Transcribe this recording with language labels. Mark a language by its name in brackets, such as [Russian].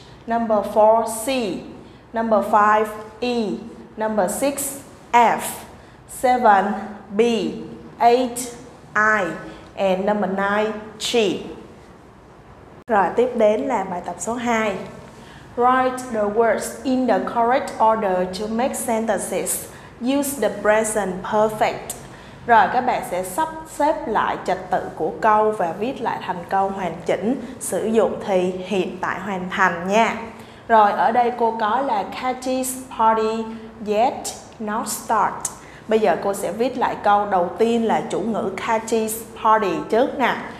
[English] Number 4, C. Number 5, E. Number 6, F. 7, B. 8, I. And number 9, G. [Vietnamese] Rồi, tiếp đến là bài tập số 2. [English] Write the words in the correct order to make sentences. Use the present perfect. [Vietnamese] Rồi các bạn sẽ sắp xếp lại trật tự của câu và viết lại thành câu hoàn chỉnh, sử dụng thì hiện tại hoàn thành nha. Rồi ở đây cô có là [English] Katie's party yet not start. [Vietnamese] Bây giờ cô sẽ viết lại câu đầu tiên là chủ ngữ Katie's party trước nè.